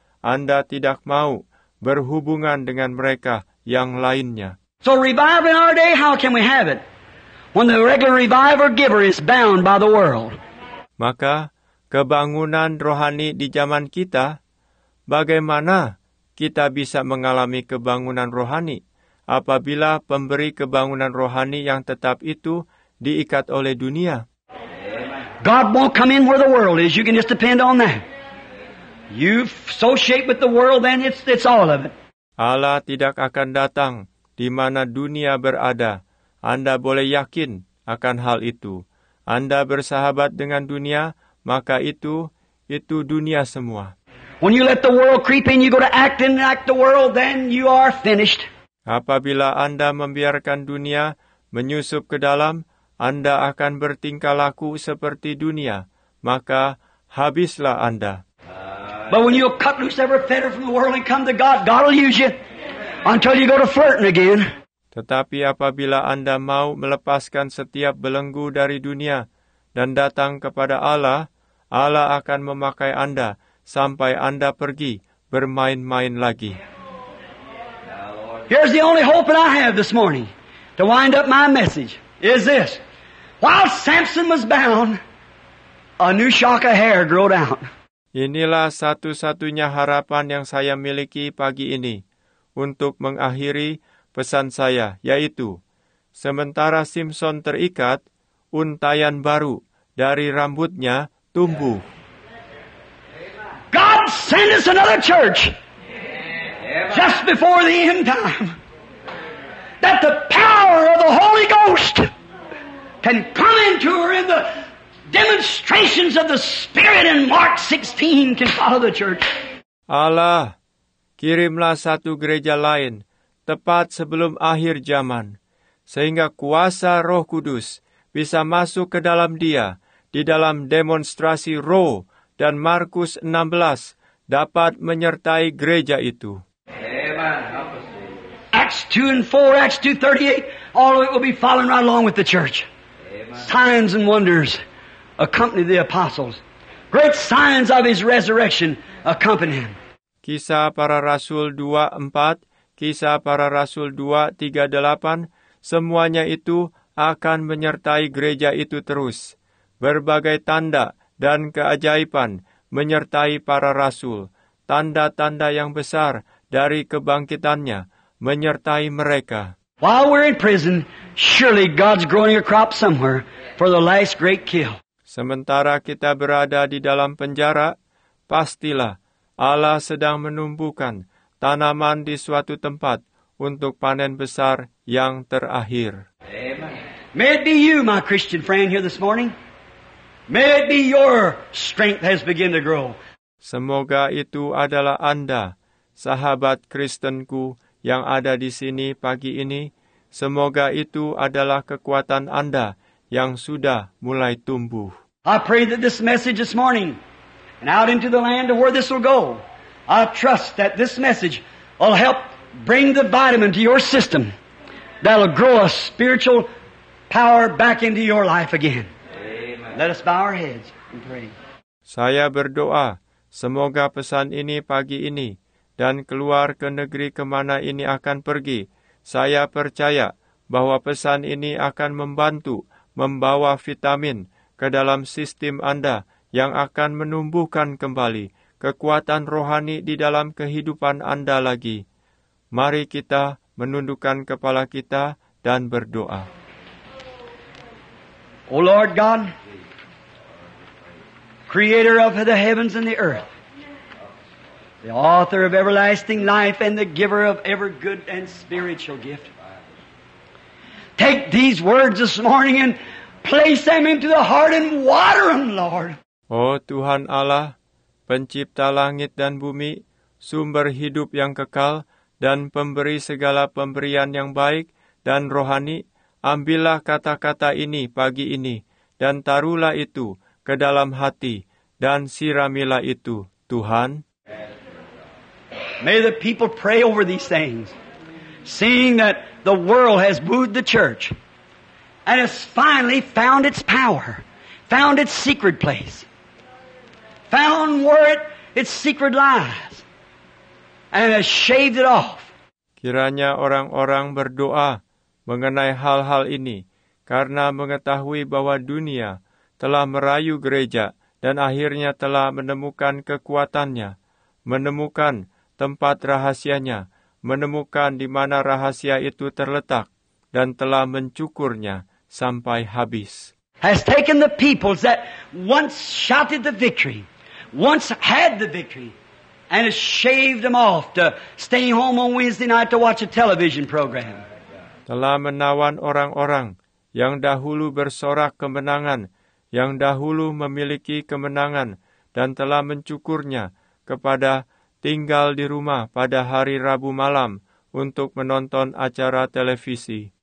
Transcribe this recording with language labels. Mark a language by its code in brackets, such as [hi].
[id] Anda tidak mau berhubungan dengan mereka yang lainnya. [en] So revival in our day, how can we have it? When the regular revival giver is bound by the world. [id] Maka, kebangunan rohani di zaman kita, bagaimana kita bisa mengalami kebangunan rohani apabila pemberi kebangunan rohani yang tetap itu diikat oleh dunia? [en] God won't come in where the world is. You can just depend on that. You associate with the world, then it's all of it. [id] Allah tidak akan datang di mana dunia berada. Anda boleh yakin akan hal itu. Anda bersahabat dengan dunia, maka itu dunia semua. [en] When you let the world creep in, you go to act and act the world, then you are finished. [id] Apabila Anda membiarkan dunia menyusup ke dalam, Anda akan bertingkah laku seperti dunia, maka habislah Anda. [en] But when you cut loose every fetter from the world and come to God, God will use you until you go to flirting again. [id] Tetapi apabila Anda mau melepaskan setiap belenggu dari dunia dan datang kepada Allah, Allah akan memakai Anda sampai Anda pergi bermain-main lagi. [en] Here's the only hope that I have this morning to wind up my message is this. While Samson was bound, a new shock of hair growed out. [id] Inilah satu-satunya harapan yang saya miliki pagi ini untuk mengakhiri pesan saya, yaitu sementara Samson terikat, untaian baru dari rambutnya tumbuh. [en] God send us another church just before the end time that the power of the Holy Ghost can come into her in the demonstrations of the Spirit in Mark 16 can follow the church. [id] Allah, kirimlah satu gereja lain tepat sebelum akhir zaman, sehingga kuasa Roh Kudus bisa masuk ke dalam dia, di dalam demonstrasi roh, dan Markus 16 dapat menyertai gereja itu. [en] Amen. Acts 2 and 4, Acts 2, 38, all of it will be following right along with the church. Amen. Signs and wonders accompany the apostles. Great signs of his resurrection accompany him. [id] Kisah para Rasul 2:4, Kisah para Rasul 2:38, semuanya itu akan menyertai gereja itu terus. Berbagai tanda dan keajaiban menyertai para rasul. Tanda-tanda yang besar dari kebangkitannya menyertai mereka. [en] While we're in prison, surely God's growing a crop somewhere for the last great kill. [id] Sementara kita berada di dalam penjara, pastilah Allah sedang menumbuhkan tanaman di suatu tempat untuk panen besar yang terakhir. [en] May it be you, my Christian friend, here this morning. May it be your strength has begun to grow. [id] Semoga itu adalah Anda, sahabat Kristenku yang ada di sini pagi ini. Semoga itu adalah kekuatan Anda yang sudah mulai tumbuh. [en] I pray that this message this morning and out into the land of where this will go, I trust that this message will help bring the vitamin to your system that will grow a spiritual power back into your life again. Amen. Let us bow our heads and pray. [id] Saya berdoa, semoga pesan ini pagi ini dan keluar ke negeri kemana ini akan pergi. Saya percaya bahwa pesan ini akan membantu membawa vitamin ke dalam sistem Anda yang akan menumbuhkan kembali kekuatan rohani di dalam kehidupan Anda lagi. Mari kita menundukkan kepala kita dan berdoa. [en] O Lord God, Creator of the heavens and the earth, the author of everlasting life and the giver of every good and spiritual gift, take these words this morning and Place them into the heart and water them, Lord. [id] Oh Tuhan Allah, pencipta langit dan bumi, sumber hidup yang kekal, dan pemberi segala pemberian yang baik dan rohani, ambillah kata-kata ini pagi ini, dan taruhlah itu ke dalam hati, dan siramilah itu, Tuhan. [en] May the people pray over these things, seeing that the world has booed the church, and has finally found its power, found its secret place, found where its secret lies, and has shaved it off. [id] Kiranya orang-orang berdoa mengenai hal-hal ini, karena mengetahui bahwa dunia telah merayu gereja dan akhirnya telah menemukan kekuatannya, menemukan tempat rahasianya, menemukan di mana rahasia itu terletak, dan telah mencukurnya sampai habis. [en] Has taken the peoples that once shouted the victory, once had the victory, and has shaved them off to stay home on Wednesday night to watch a television program. [id] Telah menawan orang-orang yang dahulu bersorak kemenangan, yang dahulu memiliki kemenangan, dan telah mencukurnya kepada tinggal di rumah pada hari Rabu malam untuk menonton acara televisi.